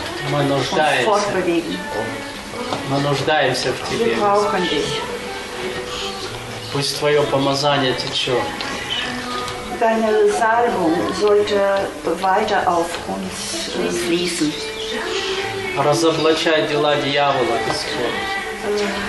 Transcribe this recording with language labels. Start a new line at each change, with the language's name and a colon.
Russian: Мы нуждаемся в Тебе. Пусть Твое помазание течет.
German: Deine Salbung sollte weiter auf uns fließen.
Russian: Разоблачай дела дьявола, Господь.